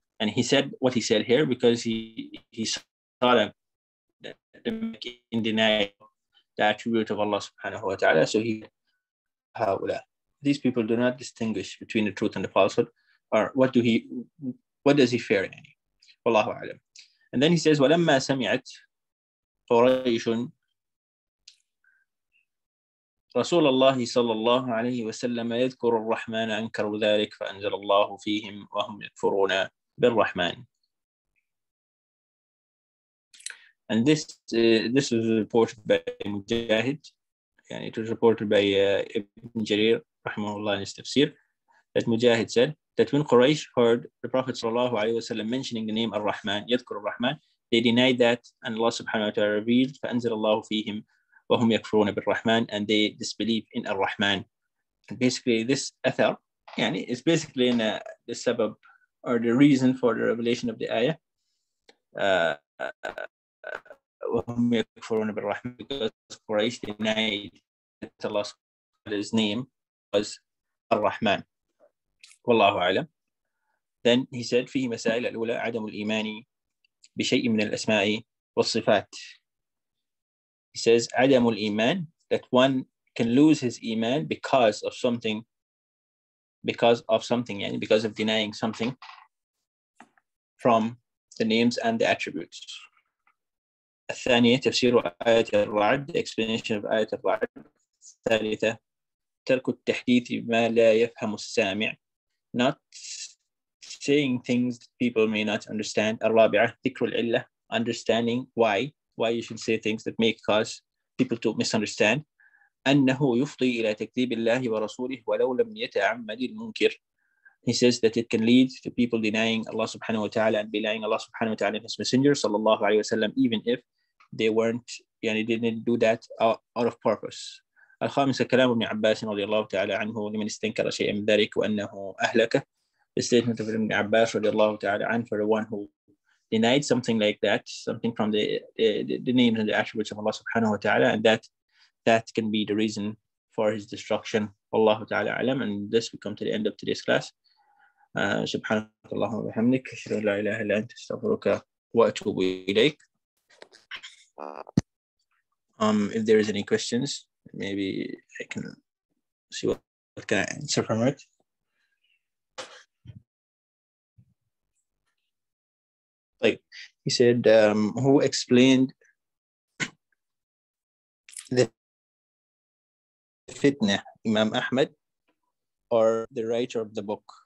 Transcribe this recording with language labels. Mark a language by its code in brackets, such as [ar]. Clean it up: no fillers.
[en] And he said what he said here because he saw that in denying the attribute of Allah subhanahu wa ta'ala. So these people do not distinguish between the truth and the falsehood. Or what does he fear? Wallahu a'lam. And then he says, [ar] ولما سمعت قريش رسول الله صلى الله عليه وسلم يذكر الرحمن أنكر ذلك فأنزل الله فيهم وهم يكفرون بالرحمن. [en] And this is reported by Mujahid. It was reported by Ibn Jarir rahimahullah in his tafsir, that Mujahid said that when Quraysh heard the Prophet sallallahu alayhi wasallam mentioning the name Ar-Rahman, yadhkur Ar-Rahman, they denied that, and Allah subhanahu wa ta'ala revealed, [ar] فَأَنزِلَ fihim wa hum yakfuruna بِالرَّحْمَانِ, [en] and they disbelieve in Ar-Rahman. And basically this athar, is basically in the sabab or the reason for the revelation of the ayah, [ar] وَهُمْ يَكْفُرُونَ بِالرَّحْمَانِ, [en] because Quraysh denied that Allah's name was Ar-Rahman. [ar] والله أعلم. [en] Then he said [ar] فيه مسائل الأولى عدم الإيمان بشيء من الأسماء والصفات. [en] He says [ar] عدم الإيمان, [en] that one can lose his إيمان because of something because of denying something from the names and the attributes. [ar] الثانية تفسير آية الرعد, [en] the explanation of [ar] آية الرعد. الثالثة ترك التحديث بما لا يفهم السامع, [en] not saying things that people may not understand. [ar] الرابعة ذكر العلة, [en] understanding why you should say things that may cause people to misunderstand. [ar] أنه يفضي إلى تكذيب الله ورسوله ولو لم يتعمد المنكر. [en] He says that it can lead to people denying Allah subhanahu wa ta'ala and belying Allah subhanahu wa ta'ala and his messenger sallallahu alayhi wa sallam, even if they weren't, didn't do that out of purpose. [ar] الخامسة كلام ابن عباس رضي الله تعالى عنه لمن استنكر شيئا من ذلك وأنه أهلكه. [en] The statement of ابن عباس [ar] رضي الله تعالى عنه, [en] for the one who denied something like that, something from the names and the attributes of Allah subhanahu wa ta'ala, and that can be the reason for his destruction. Allah ta'ala alam. And this, we come to the end of today's class. [ar] سبحانك اللهم وبحمدك أشهد أن لا إله إلا أنت أستغفرك وأتوب إليك. [en] If there is any questions, maybe I can see what can I answer from it. Like he said, who explained the fitna, Imam Ahmed or the writer of the book?